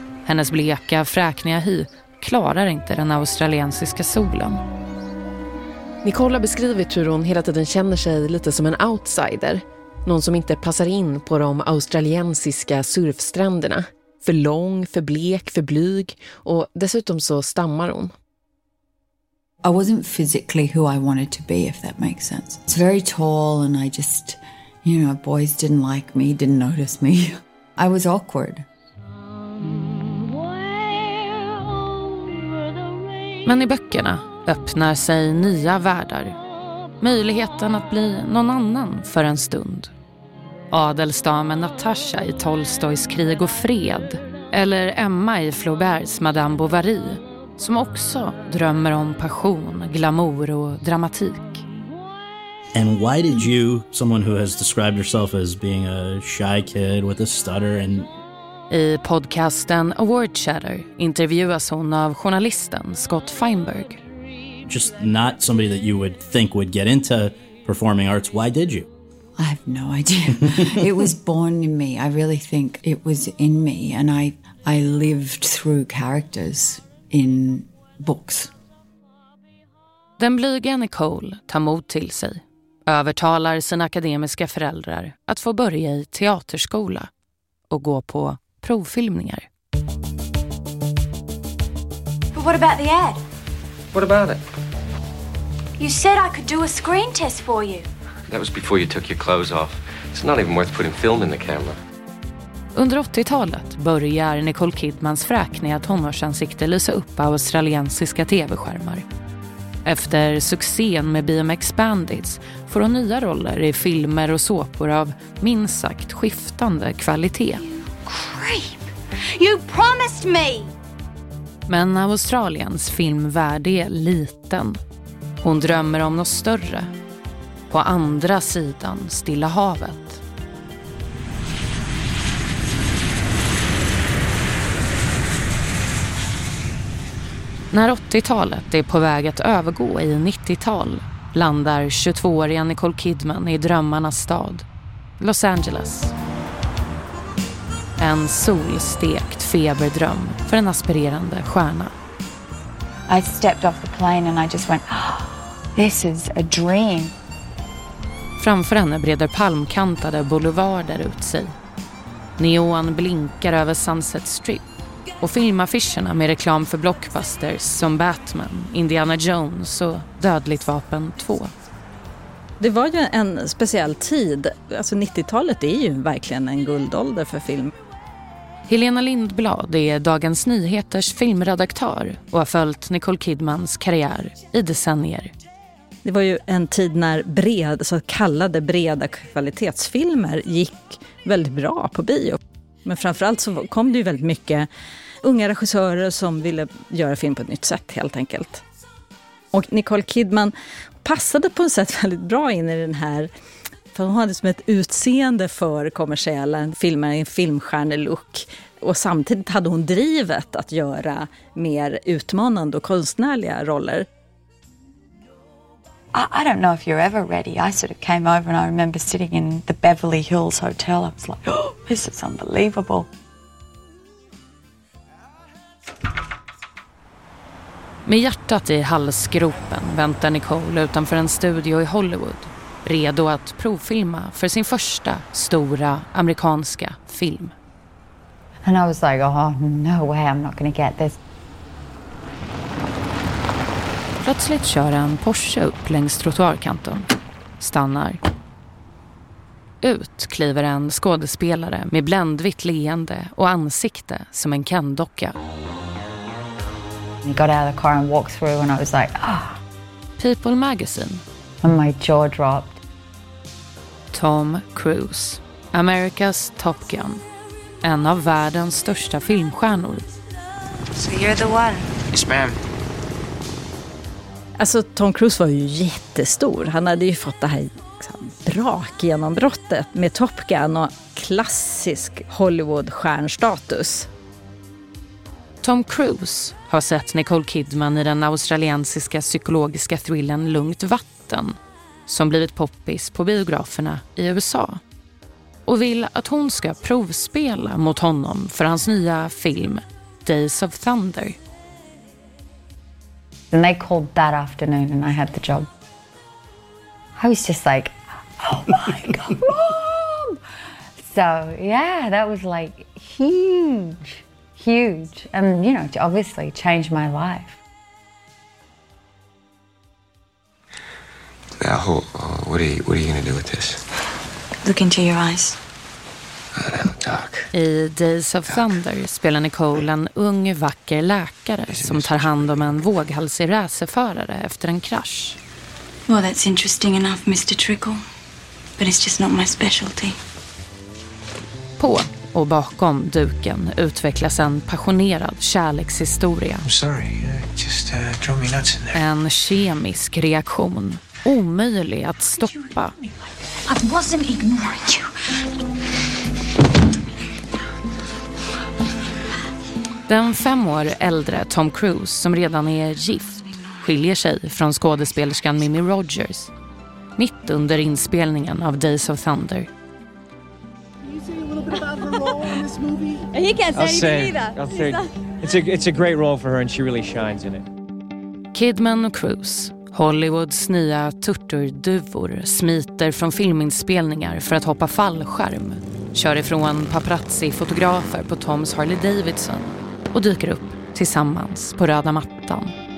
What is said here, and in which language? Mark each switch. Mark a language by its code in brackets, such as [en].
[sv] Hennes bleka, fräkniga hy klarar inte den australiensiska solen. Nicole har beskrivit hur hon hela tiden känner sig lite som en outsider. Någon som inte passar in på de australiensiska surfstränderna. För lång, för blek, för blyg. Och dessutom så stammar hon. [en] I wasn't physically who I wanted to be, if that makes sense. It's very tall and I just, you know, boys didn't like me, didn't notice me. I was awkward. [sv] Men i böckerna öppnar sig nya världar. Möjligheten att bli någon annan för en stund. Adelsdamen Natasha i Tolstojs Krig och fred. Eller Emma i Flauberts Madame Bovary. Som också drömmer om passion, glamour och dramatik. [en] And why did you, someone who has described yourself as being a shy kid with a stutter and... [sv] I podcasten Award Chatter intervjuas hon av journalisten Scott Feinberg. [en] Just not somebody that you would think would get into performing arts. Why did you? I have no idea. It was born in me. I really think it was in me. And I lived through characters in books. [sv] Den blyga Nicole tar mod till sig. Övertalar sina akademiska föräldrar att få börja i teaterskola. Och gå på provfilmningar. [en] But what about the ad? What about it? You said I could do a screen test for you. That was before you took your clothes off. It's not even worth putting film in the camera. [sv] Under 80-talet börjar Nicole Kidmans fräkniga tonårsansikte lysa upp australiensiska tv-skärmar. Efter succén med BMX Bandits får hon nya roller i filmer och såpor av minst sagt skiftande kvalitet. [en] Creep. You promised me. [sv] Men Australiens filmvärld är liten. Hon drömmer om något större. På andra sidan Stilla havet. När 80-talet är på väg att övergå i 90-tal landar 22-åriga Nicole Kidman i drömmarnas stad, Los Angeles. En solstekt feberdröm för en aspirerande stjärna. [en] I stepped off the plane and I just went, oh, this is a dream. [sv] Framför henne breder palmkantade boulevarder ut sig. Neon blinkar över Sunset Strip och filmaffischerna med reklam för blockbusters som Batman, Indiana Jones och Dödligt vapen 2. Det var ju en speciell tid. Alltså 90-talet är ju verkligen en guldålder för film. Helena Lindblad är Dagens Nyheters filmredaktör och har följt Nicole Kidmans karriär i decennier. Det var ju en tid när så kallade breda kvalitetsfilmer gick väldigt bra på bio. Men framförallt så kom det ju väldigt mycket unga regissörer som ville göra film på ett nytt sätt helt enkelt. Och Nicole Kidman passade på ett sätt väldigt bra in i den här... För hon hade som ett utseende för kommersiella filmer, en filmstjärnelook. Och samtidigt hade hon drivet att göra mer utmanande och konstnärliga roller. [en] I don't know if you're ever ready. I sort of came over and I remember sitting in the Beverly Hills Hotel. I was like, oh, this is unbelievable. [sv] Med hjärtat i halsgropen väntar Nicole utanför en studio i Hollywood. Redo att provfilma för sin första stora amerikanska film. [en] And I was like, oh, no way, I'm not gonna get this. [sv] Plötsligt kör en Porsche upp längs trottoarkanten. Stannar. Ut kliver en skådespelare med bländvitt leende och ansikte som en Ken-docka. [en] He got out of the car and walked through and I was like, ah. People Magazine. And my jaw dropped. Tom Cruise. America's Top Gun. [sv] En av världens största filmstjärnor. [en] So you're the one. Yes, ma'am. [sv] Alltså, Tom Cruise var ju jättestor. Han hade ju fått det här liksom, brak genombrottet med Top Gun och klassisk Hollywood-stjärnstatus. Tom Cruise har sett Nicole Kidman i den australiensiska psykologiska thrillern Lugnt vatten, som blivit poppis på biograferna i USA, och vill att hon ska provspela mot honom för hans nya film Days of Thunder. [en] And they called that afternoon and I had the job. I was just like, oh my god, mom! So yeah, that was like huge, huge. And you know, obviously changed my life. Now, what are you going to do with this? Look into your eyes. [sv] I Days of Thunder spelar Nicole en ung, vacker läkare som tar hand om en våghalsig racerförare efter en krasch. [en] Well, that's interesting enough, Mr. Trickle. But it's just not my specialty. [sv] På och bakom duken utvecklas en passionerad kärlekshistoria. [en] I'm sorry, just drove me nuts in there. [sv] En kemisk reaktion, omöjlig att stoppa. [en] I wasn't ignoring you. [sv] Den 5 år äldre Tom Cruise, som redan är gift, skiljer sig från skådespelerskan Mimi Rogers mitt under inspelningen av Days of Thunder. [en] Can you say a little bit about her role in this movie? He can't say anything either. It's a great role for her and she really shines in it. [sv] Kidman och Cruise, Hollywoods nya turturduvor, smiter från filminspelningar för att hoppa fallskärm, kör ifrån paparazzi-fotografer på Toms Harley Davidson och dyker upp tillsammans på röda mattan.